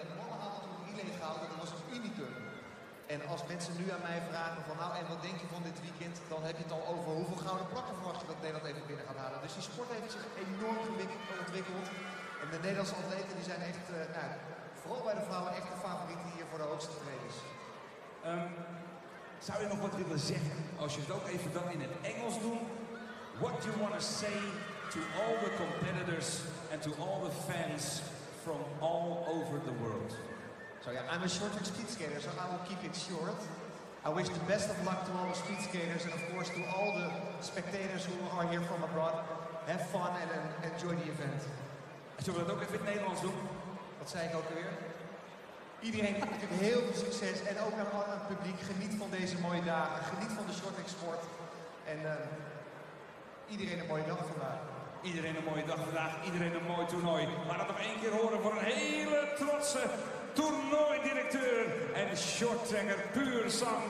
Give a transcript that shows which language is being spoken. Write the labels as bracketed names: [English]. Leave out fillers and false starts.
[Dutch] En de mannen hadden toen niet in gehouden, dat was het unicum. En als mensen nu aan mij vragen van nou en wat denk je van dit weekend, dan heb je het al over hoeveel gouden plakken verwacht je dat Nederland even binnen gaat halen. Dus die sport heeft zich enorm ontwikkeld. En de Nederlandse atleten die zijn echt, vooral bij de vrouwen, echt de favorieten hier voor de hoogste trainers. Zou je nog wat willen zeggen, als je het ook even dan in het Engels doet? [English] What do you want to say to all the competitors and to all the fans from all over the world? So yeah, I'm a short-track speed skater, so I will keep it short. I wish the best of luck to all the speed skaters and of course to all the spectators who are here from abroad. Have fun and enjoy the event. [Dutch] Zullen we dat ook even in het Nederlands doen? Dat zei ik ook alweer. Iedereen natuurlijk heel veel succes en ook naar al het publiek. Geniet van deze mooie dagen, geniet van de short-track sport. En iedereen een mooie dag vandaag. Iedereen een mooie dag vandaag, iedereen een mooi toernooi. Laat het nog één keer horen voor een hele trotse toernooi-directeur en shorttracker puur zang.